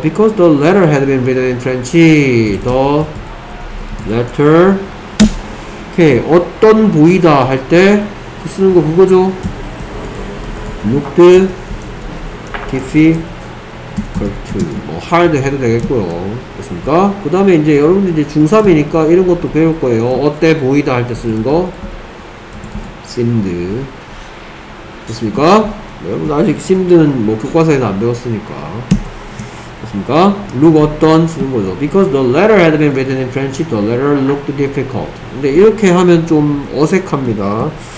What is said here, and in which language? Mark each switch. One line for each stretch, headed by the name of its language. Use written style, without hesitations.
English: Because the letter had been written in French, the letter.
Korean: 오케이. 어떤 부위다 할 때 쓰는 거 그거죠.
English: Looked difficult. 뭐 hard
Korean: 해도 되겠고요. 됐습니까? 그 다음에 이제 여러분들 이제 중3이니까 이런 것도 배울 거예요. 어때 보이다 할 때 쓰는 거 seemed. 됐습니까? 여러분 아직 seemed는 뭐 교과서에서 안 배웠으니까. 됐습니까? look 어떤 쓰는 거죠.
English: because the letter had been written in French, the letter looked difficult.
Korean: 근데 이렇게 하면 좀 어색합니다.